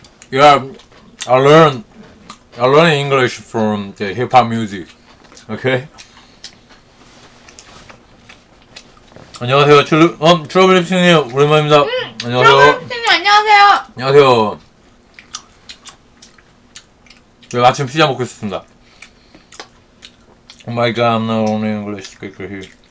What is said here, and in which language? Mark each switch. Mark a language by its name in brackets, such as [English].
[English] Yeah, I learned English from the hip hop music. Okay. [Korean] 안녕하세요. 트러블 립싱님 오랜만입니다. 안녕하세요. 트러블 립싱님 안녕하세요. 안녕하세요. 네, 아침 피자 먹고 있었습니다. [English] Oh my god, I'm not only English speaker here.